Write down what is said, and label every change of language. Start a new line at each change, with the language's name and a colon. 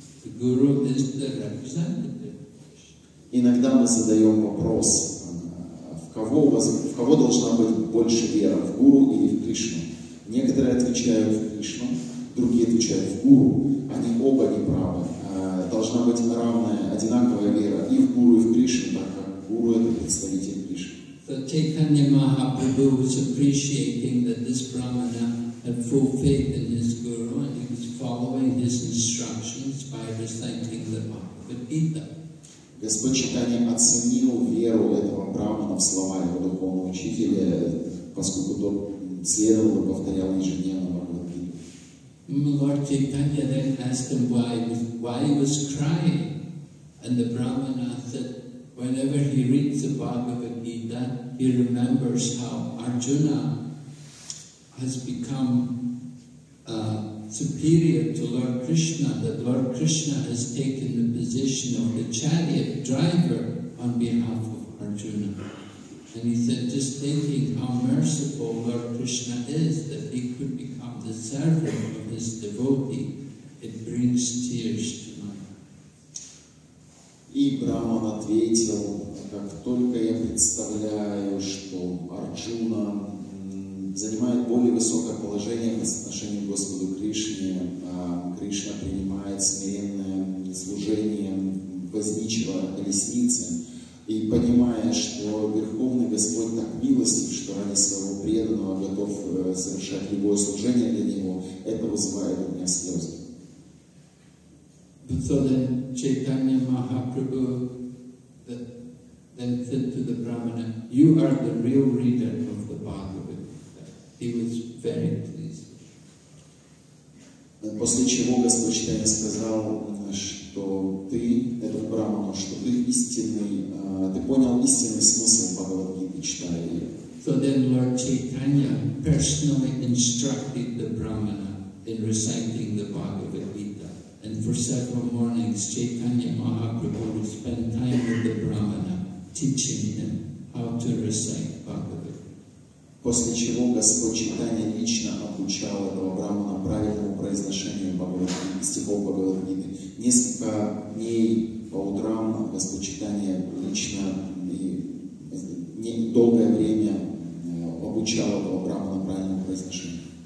English: The Guru is the representative of Krishna.
Russian: Иногда мы задаем вопрос, в кого должна быть больше вера, в Гуру или в Кришну? Некоторые отвечают в Кришну, другие отвечают в Гуру. Они оба неправы. Должна быть равная, одинаковая вера и в Гуру, и в Кришну, так как Гуру — это представитель Кришны.
English: So Chaitanya Mahaprabhu was appreciating that this brahmana had full faith in his Guru and he was following his instructions by reciting the Bhagavad Gita.
Russian: Господь Читания оценил веру этого брахмана в слова его духовного учителя, поскольку тот следовал и повторял ежедневно Бхагавад Гиту.
English: Lord Chaitanya then asked him why he was crying. And the brahmana said, whenever he reads the Bhagavad Gita, he remembers how Arjuna has become superior to Lord Krishna, that Lord Krishna has taken the position of the chariot driver on behalf of Arjuna. And he said, just thinking how merciful Lord Krishna is, that he could become the servant of his devotee, it brings tears to my heart.
Russian: И Браман ответил, как только я представляю, что Арджуна занимает более высокое положение по отношению к Господу Кришне. Кришна принимает смиренное служение возничего колесницы. И понимая, что Верховный Господь так милостив, что ради своего преданного готов совершать любое служение для Него, это вызывает у меня слезы.
English: So then Chaitanya Mahaprabhu then said to the Brahmana, you are the real reader of the Bhagavad. He was very pleased.
Russian: После чего Господь Читания сказал, что ты, этот брахман, что ты истинный, ты понял истинный смысл Бхагавад-гиты, читая ее.
English: So then Lord Chaitanya personally instructed the brahmana in reciting the Bhagavad Gita. And for several mornings, Chaitanya Mahaprabhu would spend time with the brahmana, teaching him how to recite Bhagavad.
Russian: После чего Господь Читания лично обучал этого брахмана правильному произношению Бхагавад-гиты, стихов Бхагавад-гиты. Несколько дней по утрам Господь Читания лично и недолгое время обучал этого брахмана правильному произношению.